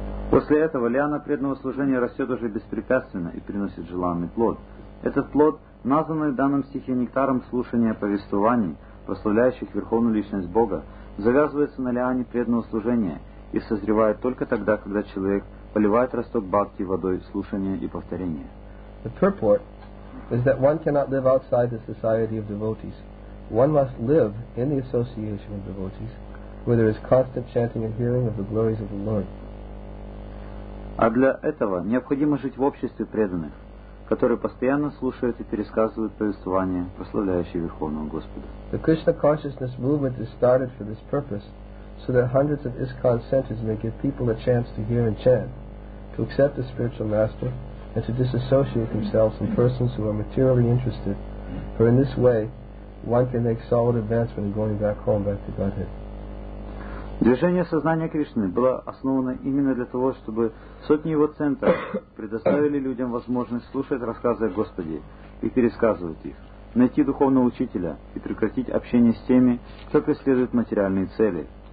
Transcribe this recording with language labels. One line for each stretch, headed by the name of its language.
Russian: После этого лиана преданного служения растет уже беспрепятственно и приносит желанный плод. Этот плод, названный в данном стихе нектаром слушания повествований, прославляющих Верховную Личность Бога, завязывается на лиане преданного служения и созревает только тогда, когда человек поливает росток бхакти водой слушания и повторения.
English: The purport is that one cannot live outside the society of devotees. One must live in the association of devotees, where there is constant chanting and hearing of the glories of the Lord.
Russian: А для этого необходимо жить в обществе преданных, которые постоянно слушают и пересказывают повествования, прославляющие Верховного Господа.
English: The Krishna consciousness movement is started for this purpose, so that hundreds of ISKCON centers may give people a chance to hear and chant, to accept a spiritual master, and to disassociate themselves from persons who are materially interested, for in this way, one can make solid advancement in going back home, back to Godhead.
Russian: Движение сознания Кришны было основано именно для того, чтобы сотни его центров предоставили людям возможность слушать рассказы о Господе и пересказывать их, найти духовного учителя и прекратить общение с теми, кто преследует материальные цели.